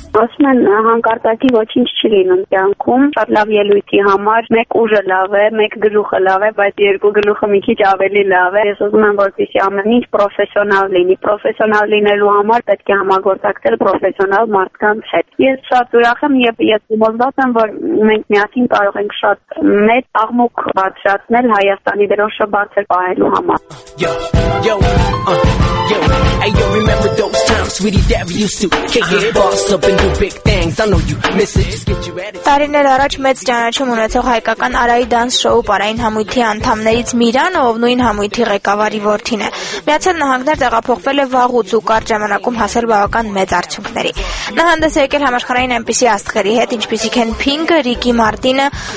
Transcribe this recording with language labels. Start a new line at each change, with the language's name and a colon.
Armenian: Ասում են հանկարծակի ոչինչ չի լինում կյանքում, շատ լավ ելույթի համար մեկ ուժը լավ է, մեկ գլուխը լավ է, բայց երկու գլուխը մի քիչ ավելի լավ է։ Ես ուզում եմ, որպեսզի ամեն ինչ պրոֆեսիոնալ լինի, պրոֆեսիոնալ լինելու համար պետք է համագործակցել պրոֆեսիոնալ մարդկանց հետ։ Ես շատ ուրախ եմ և ես ուզված եմ, որ մենք միասին կարող ենք շատ մեծ աղմուկ բարձրացնել Հայաստանի դրոշը բարձր պահելու համար։
English: Ayo, remember those times, sweetie, that we used to kick it, boss up and do big things. I know you miss it.
Armenian: Տարիներ առաջ մեծ ճանաչում ունեցող հայկական Արայի դանս շոու պարային համույթի անդամներից Միրանը, ով նույն համույթի ղեկավարի որդին է։ Միացյալ Նահանգներ տեղափոխվել է վաղուց ու կարճ ժամանակում հասել բավական մեծ արդյունքների։ Նա հանդես է եկել համաշխարհային այնպիսի աստղերի հետ, ինչպիսիք են Pink, Ricky Martin-ը,